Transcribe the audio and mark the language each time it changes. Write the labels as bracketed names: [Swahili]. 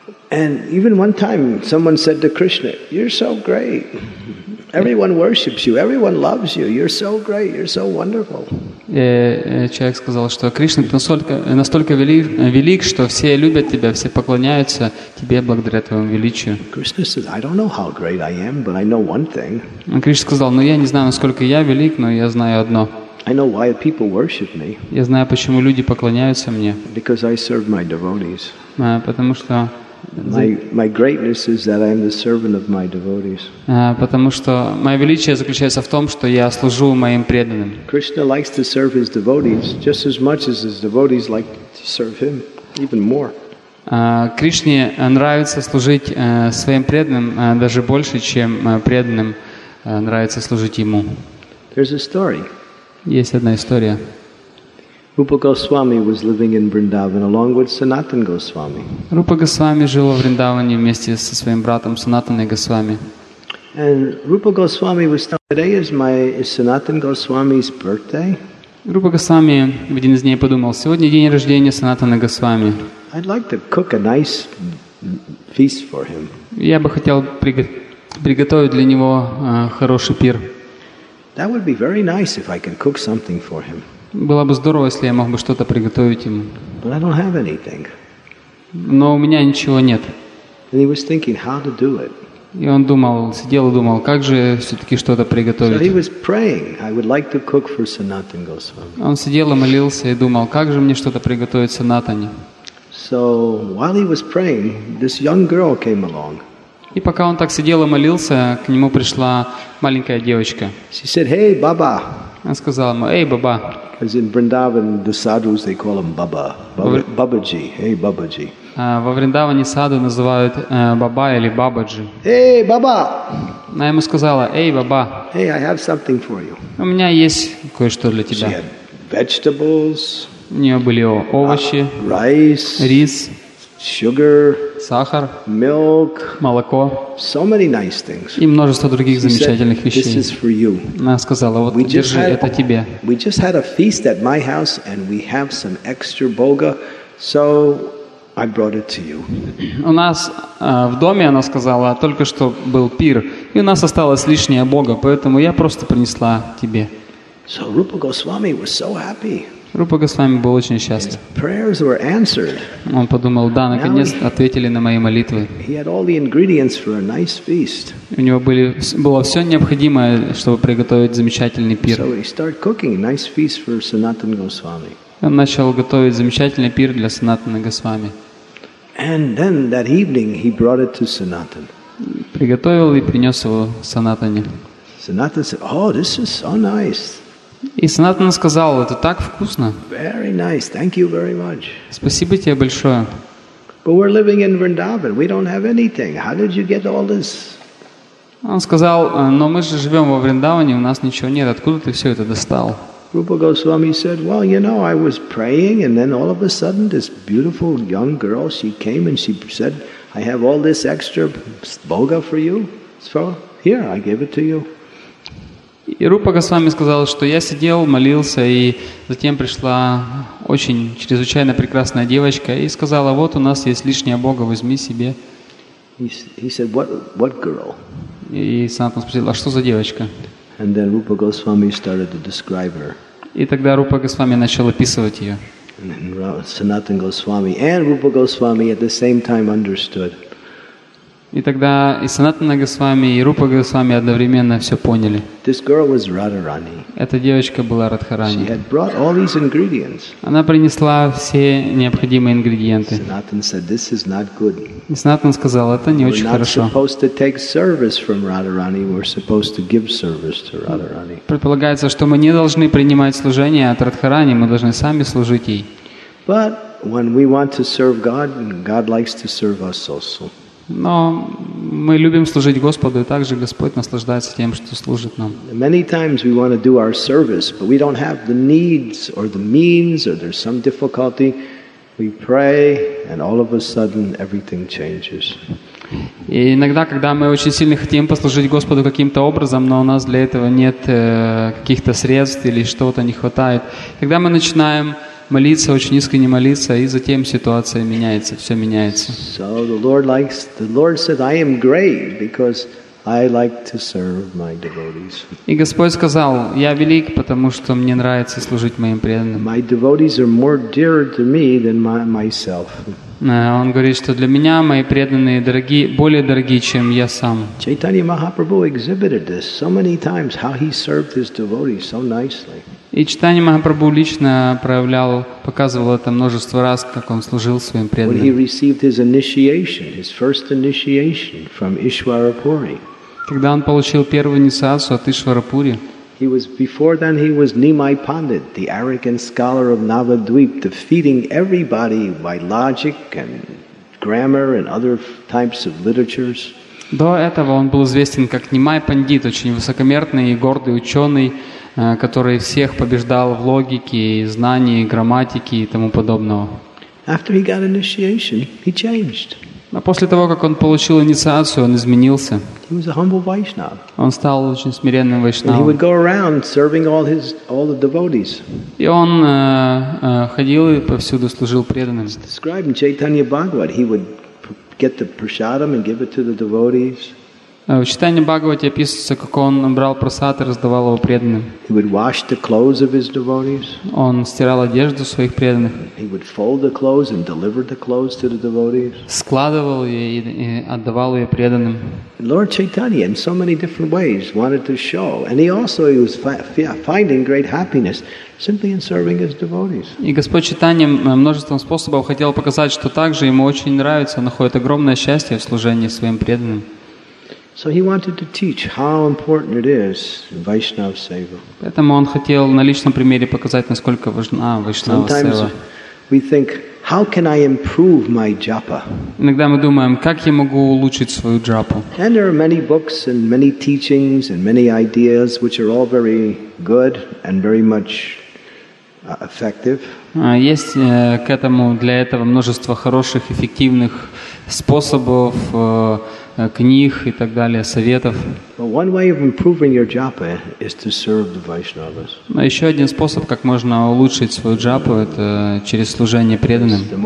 [English] And even one time someone said to Krishna, "You're so great. Everyone worships you. Everyone loves you. You're so great. You're so wonderful." [Russian] Человек сказал, что Кришна настолько велик, что все любят тебя, все поклоняются тебе благодаря твоему величию. [English] Krishna said, "I don't know how great I am, but I know one thing." [Russian] Кришна сказал, "Но я не знаю, насколько я велик, но я знаю одно. [English] I know why people worship me." [Russian] Я знаю, почему люди поклоняются мне. [English] Because I serve my devotees. [Russian] Потому что [English] My greatness is that I am the servant of my devotees. [Russian] Потому что мое величие заключается в том, что я служу моим преданным. [English] Krishna likes to serve his devotees just as much as his devotees like to serve him, even more. [Russian] Кришне нравится служить своим преданным даже больше, чем преданным нравится служить ему. [English] There's a story. [Russian] Есть одна история. [English] Rupa Goswami was living in Vrindavan along with Sanatana Goswami. [Russian] Rupa Goswami жил в Вриндаване вместе со своим братом Санатаной Госвами. [English] And Rupa Goswami was telling, "Today is my Sanatana Goswami's birthday." [Russian] Rupa Goswami в один из дней подумал, "Сегодня день рождения Санатаны Госвами." [English] I'd like to cook a nice feast for him. [Russian] Я бы хотел приготовить для него хороший пир. [English] That would be very nice if I could cook something for him. [Russian] Было бы здорово, если я мог бы что-то приготовить ему. [English] But I don't have anything. [Russian] Но у меня ничего нет. [English] And he was thinking how to do it. [Russian] И он думал, сидел и думал, как же все-таки что-то приготовить. [English] So he was praying, "I would like to cook for Sanatana Goswami." [Russian] Он сидел и молился и думал, как же мне что-то приготовить Санатане. [English] So while he was praying, this young girl came along. [Russian] И пока он так сидел и молился, к нему пришла маленькая девочка. [English] She said, "Hey, Baba." [Russian] Она сказала ему, "Эй, Баба." [English] As in Vrindavan, the sadhus, they call him Baba. Babaji. Hey, Babaji. [Russian] Во Вриндаване саду называют Баба или Бабаджи. [English] Hey, Baba! [Russian] Она ему сказала, "Эй, Баба." [English] Hey, I have something for you. [Russian] У меня есть кое-что для тебя. [English] She had vegetables. [Russian] У нее были овощи. [English] Rice. [Russian] Рис. [English] Sugar. [Russian] Сахар. [English] Milk. [Russian] Молоко. [English] So many nice things. [Russian] И множество других замечательных вещей. [English] This is for you. [Russian] Она сказала, вот держи, это тебе. [English] We just had a feast at my house and we have some extra boga. So I brought it to you. [Russian] У нас в доме, она сказала, только что был пир, и у нас осталось лишнее Бога, поэтому я просто принесла тебе. [English] So Rupa Goswami was so happy. [Russian] Рупа Госвами был очень счастлив. [English] Prayers were answered. [Russian] Он подумал, да, наконец ответили на мои молитвы. [English] He had all the ingredients for a nice feast. [Russian] У него было все необходимое, чтобы приготовить замечательный пир. [English] So he started cooking a nice feast for Sanatana Goswami. [Russian] Он начал готовить замечательный пир для Санатаны Госвами. [English] And then that evening he brought it to Sanatan. [Russian] Приготовил и принес его Санатане. [English] Sanatan said, "Oh, this is so nice." [Russian] И Санатан сказал, это так вкусно. [English] Very nice. Thank you very much. [Russian] Спасибо тебе большое. [English] But we're living in Vrindavan. We don't have anything. How did you get all this? [Russian] Он сказал, но мы же живем во Вриндаване, у нас ничего нет. Откуда ты все это достал? [English] Rupa Goswami said, "Well, you know, I was praying, and then all of a sudden, this beautiful young girl, she came and she said, 'I have all this extra boga for you. So here, I gave it to you.'" [Russian] И Рупа Госвами сказал, что я сидел, молился, и затем пришла очень чрезвычайно прекрасная девочка и сказала, вот у нас есть лишняя бога, возьми себе. [English] He said, what girl? [Russian] И Санатан спросил, а что за девочка? [English] And then Rupa Goswami started to describe her. [Russian] И тогда Рупа Госвами начал описывать ее. [English] And then Sanatana Goswami and Rupa Goswami at the same time understood. [Russian] И тогда и Санатана Госвами, и Рупа Госвами одновременно все поняли. [English] This girl was Radharani. [Russian] Эта девочка была Радхарани. [English] She had brought all these ingredients. [Russian] Она принесла все необходимые ингредиенты. [English] Sanatan said, "This is not good." [Russian] И Санатан сказал, это не очень хорошо. [English] We're not supposed to take service from Radharani. We're supposed to give service to Radharani. [Russian] Предполагается, что мы не должны принимать служение от Радхарани, мы должны сами служить ей. [English] But when we want to serve God, God likes to serve us also. [Russian] Но мы любим служить Господу, и также Господь наслаждается тем, что служит нам. [English] Many times we want to do our service, but we don't have the needs or the means, or there's some difficulty. We pray, and all of a sudden everything changes. [Russian] И иногда, когда мы очень сильно хотим послужить Господу каким-то образом, но у нас для этого нет каких-то средств или что-то не хватает, когда мы начинаем молиться, очень искренне молиться, и затем ситуация меняется, все меняется. [English] So the Lord said, "I am great because I like to serve my devotees." [Russian] И Господь сказал, я велик, потому что мне нравится служить моим преданным. [English] My devotees are more dear to me than myself. [Russian] Он говорит, что для меня мои преданные дорогие, более дорогие, чем я сам. [English] Chaitanya Mahaprabhu exhibited this so many times, how he served his devotees so nicely. [Russian] И Чайтанья Махапрабху лично проявлял, показывал это множество раз, как он служил своим преданным. Когда он получил первую инициацию от Ишварапури, [English] before then he was Nimai Pandit, the arrogant scholar of Navadvip, defeating everybody by logic and grammar and other types of literatures. [Russian] До этого он был известен как Нимай Пандит, очень высокомерный и гордый ученый, который всех побеждал в логике, знании, грамматике и тому подобного. [English] After he got initiation, he changed. [Russian] Но после того, как он получил инициацию, он изменился. [English] He was a humble Vaishnav. [Russian] Он стал очень смиренным вайшнавом. [English] And he would go around serving all the devotees. [Russian] И он ходил и повсюду служил преданным. [English] It's described in Chaitanya Bhagavat. He would get the prasadam and give it to the devotees. [Russian] В Чайтанье Бхагавате описывается, как он брал прасад и раздавал его преданным. [English] He would wash the clothes of his devotees. [Russian] Он стирал одежду своих преданных. [English] He would fold the clothes and deliver the clothes to the devotees. [Russian] Складывал ее и отдавал ее преданным. [English] Lord Chaitanya in so many different ways wanted to show, and he also was finding great happiness simply in serving his devotees. [Russian] И Господь Чайтанья множеством способов хотел показать, что также ему очень нравится, он находит огромное счастье в служении своим преданным. [English] So he wanted to teach how important it is Vaishnava seva. [Russian] Поэтому он хотел на личном примере показать, насколько важна Вайшнава сева. [English] Sometimes we think, how can I improve my japa? [Russian] Иногда мы думаем, как я могу улучшить свою джапу? [English] And there are many books and many teachings and many ideas which are all very good and very much effective. [Russian] Есть к этому для этого множество хороших, эффективных способов, книг и так далее, советов. Но еще один способ, как можно улучшить свою джапу, это через служение преданным.